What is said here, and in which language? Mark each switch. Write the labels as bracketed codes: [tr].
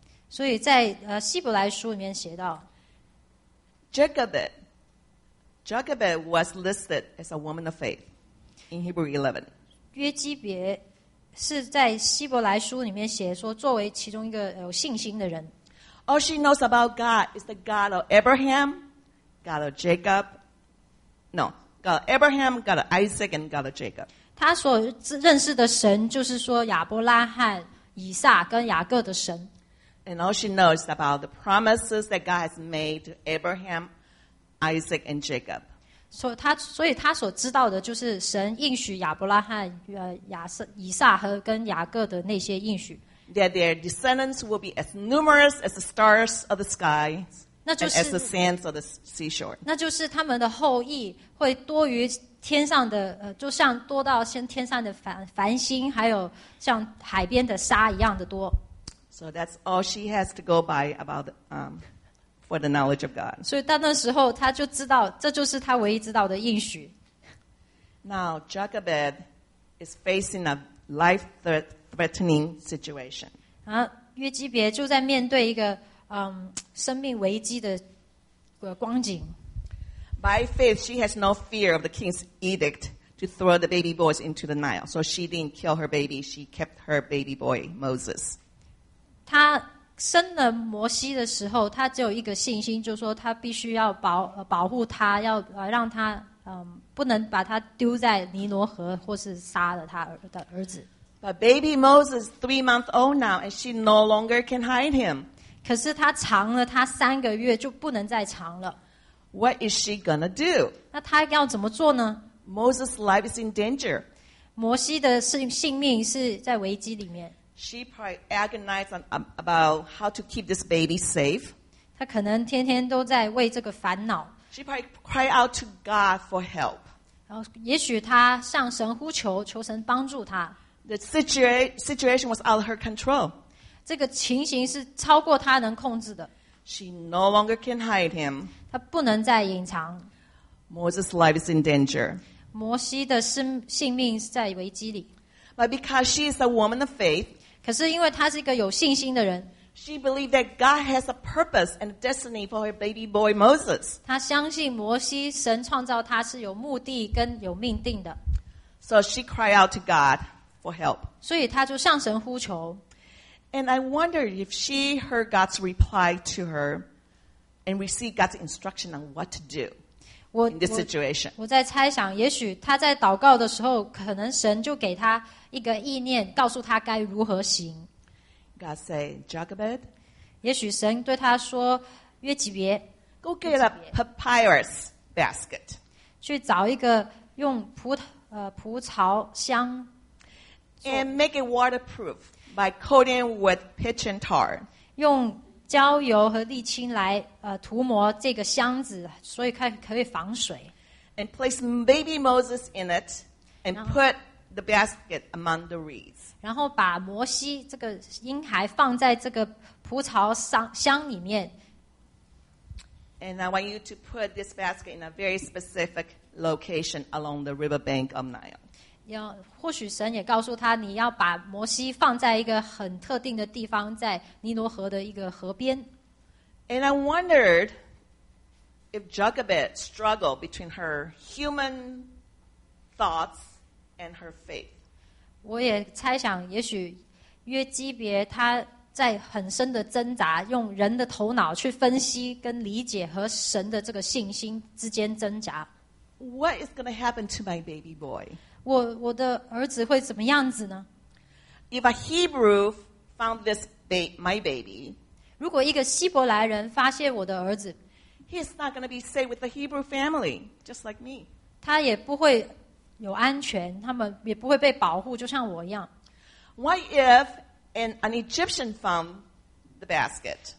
[zh] 所以在希伯来书里面写到 [en] Jochebed was listed as a woman of faith in Hebrew 11. [zh] 约基别是在希伯来书里面写说作为其中一个有信心的人。 [en] All she knows about God is the God of Abraham, got a Jacob. No, got Abraham, got Isaac, and got a Jacob. [zh] 他所认识的神就是说亚伯拉罕、以撒跟雅各的神。 [en] And all she knows is about the promises that God has made to Abraham, Isaac, and Jacob. [zh] 所以他所知道的就是神应许亚伯拉罕、以撒和跟雅各的那些应许。 [en] That their descendants will be as numerous as the stars of the sky, and as the sands of the seashore. [zh] 那就是他们的后裔会多于天上的就像多到像天上的繁星，还有像海边的沙一样的多。 [en] So that's all she has to go by about for the knowledge of God. [zh] 所以到那时候，他就知道，这就是他唯一知道的应许。 [en] Now Jacob is facing a life-threatening situation. [zh] 啊，约基别就在面对一个生命危机的光景。 [en] By faith, she has no fear of the king's edict to throw the baby boys into the Nile. So she didn't kill her baby; she kept her baby boy Moses. [zh] 她生了摩西的时候，她只有一个信心，就是说她必须要保护他，要让他不能把他丢在尼罗河，或是杀了他的儿子。 [en] But baby Moses is 3 months old now, and she no longer can hide him. [zh] 可是她藏了他三个月，就不能再藏了。 [en] What is she gonna do? [zh] 那她要怎么做呢? [en] Moses' life is in danger. [zh] 摩西的性命是在危机里面。 [en] She probably agonized about how to keep this baby safe. [zh] 她可能天天都在为这个烦恼。 [en] She probably cried out to God for help. [zh] 然后也许她向神呼求，求神帮助她。 [en] The situation was out of her control. [zh] 这个情形是超过她能控制的。 [en] She no longer can hide him. [zh] 他不能再隐藏。 [en] Moses' life is in danger. [zh] 摩西的性命在危机里。 [en] But because she is a woman of faith, [zh] 可是因为她是一个有信心的人。 [en] She believed that God has a purpose and a destiny for her baby boy Moses. [zh] 她相信摩西，神创造他是有目的跟有命定的。 [en] So she cried out to God for help. [zh] 所以她就向神呼求。 [en] And I wonder if she heard God's reply to her and received God's instruction on what to do in this situation. [zh] 我在猜想，也许她在祷告的时候，可能神就给她一个意念，告诉她该如何行。 [en] God said, Jochebed. [zh] 也许神对她说，约基别。 [en] Go get a papyrus basket. [zh] 去找一个用蒲草箱。 [en] And make it waterproof. By coating with pitch and tar. [zh] 用焦油和沥青来涂抹这个箱子，所以可以防水。 [en] And place baby Moses in it and put the basket among the reeds. [zh] 然后把摩西这个婴孩放在这个蒲草箱里面。 [en] And I want you to put this basket in a very specific location along the riverbank of Nile. [zh] 或许神也告诉他，你要把摩西放在一个很特定的地方，在尼罗河的一个河边。 [en] And I wondered if Jochebed struggled between her human thoughts and her faith. [zh] 我也猜想，也许约基别他在很深的挣扎，用人的头脑去分析跟理解和神的这个信心之间挣扎。 [en] What is going to happen to my baby boy? [zh] 我的儿子会怎么样子呢? [en] If a Hebrew found this my baby, [zh] 如果一个希伯来人发现我的儿子, [en] he's not going to be safe with the Hebrew family, just like me. [zh] 他也不会有安全,他们也不会被保护,就像我一样。 [en] What if an Egyptian found the basket?